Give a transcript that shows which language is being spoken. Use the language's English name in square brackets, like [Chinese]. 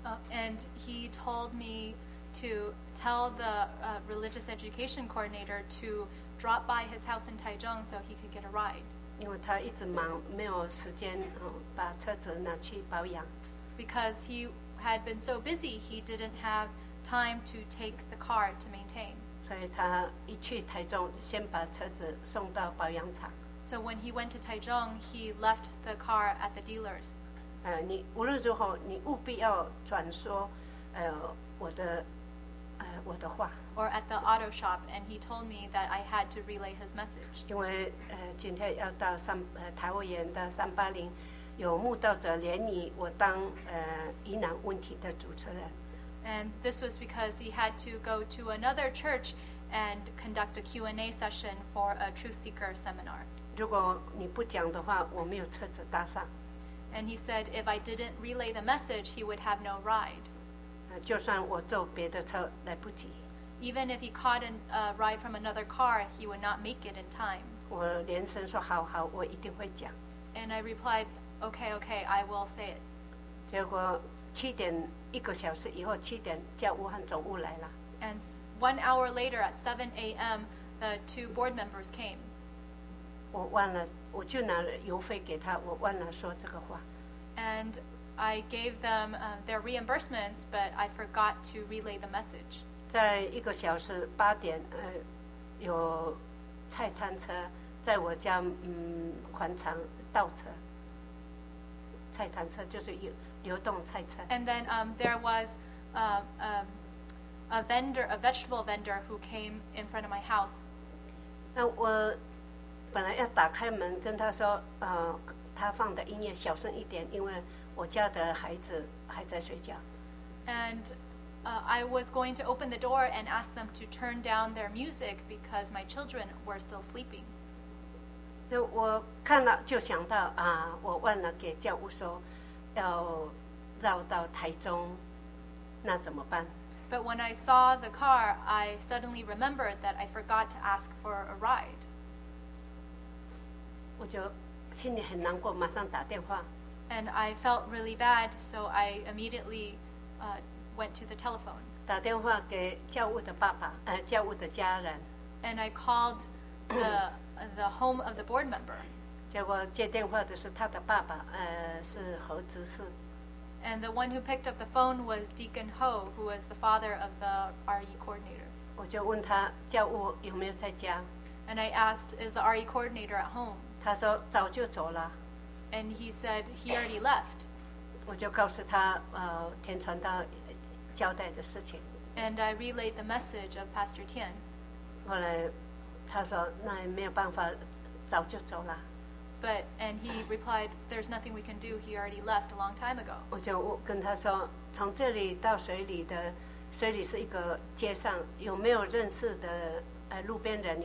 [English] And he told me to tell the religious education coordinator to. Drop by his house in Taichung so he could get a ride. [Chinese] 因为他一直忙，没有时间把车子拿去保养。 [English] Because he had been so busy, he didn't have time to take the car to maintain. [Chinese] 所以他一去台中，先把车子送到保养厂。 [English] So when he went to Taichung, he left the car at the dealers. [Chinese] 你无论如何，你务必要转说，我的话。 [English] Or at the auto shop, and he told me that I had to relay his message. [Chinese] 因为今天要到台务员的380，有慕道者联谊，我当疑难问题的主持人。 [English] And this was because he had to go to another church and conduct a Q&A session for a truth seeker seminar. [Chinese] 如果你不讲的话，我没有车子搭上。 [English] And he said if I didn't relay the message, he would have no ride. [Chinese] 就算我坐别的车来不及。 [English] Even if he caught a ride from another car, he would not make it in time. [Chinese] 我连声说好好，我一定会讲。 [English] And I replied, okay, okay, I will say it. [Chinese] 结果七点一个小时以后，七点教务和总务来了。 [English] And 1 hour later, at 7 a.m., the two board members came. [Chinese] 我忘了，我就拿了邮费给他，我忘了说这个话。 [English] And I gave them their reimbursements, but I forgot to relay the message. [Chinese] 在一个小时八点，有菜摊车在我家款场倒车。菜坛车，就是流动菜车。 [English] And then there was a vegetable vendor who came in front of my house. [Chinese] 那我本来要打开门跟他说，他放的音乐小声一点，因为我家的孩子还在睡觉。 [English] And I was going to open the door and ask them to turn down their music because my children were still sleeping. [Chinese] 我看了就想到啊，我问了给教务说，要绕到台中，那怎么办？ [English] But when I saw the car, I suddenly remembered that I forgot to ask for a ride. [Chinese] 我就心里很难过，马上打电话。 [English] And I felt really bad, so I immediately went to the telephone. [Chinese] 打电话给教务的爸爸，教务的家人。 [English] And I called the home of the board member. [Chinese] 结果接电话的是他的爸爸，是侯执事。 [English] And the one who picked up the phone was Deacon Ho, who was the father of the RE coordinator. [Chinese] 我就问他教务有没有在家。 [English] And I asked, is the RE coordinator at home? [Chinese] 他说早就走了。 [English] And he said he already left. [Chinese] 我就告诉他，天传道交代的事情。 [English] And I relayed the message of Pastor Tian. [Chinese] 后来他说那也没有办法，早就走了。 [English] But and he replied, "There's nothing we can do. He already left a long time ago." [Chinese] 我就跟他说，从这里到水里的水里是一个街上，有没有认识的路边人？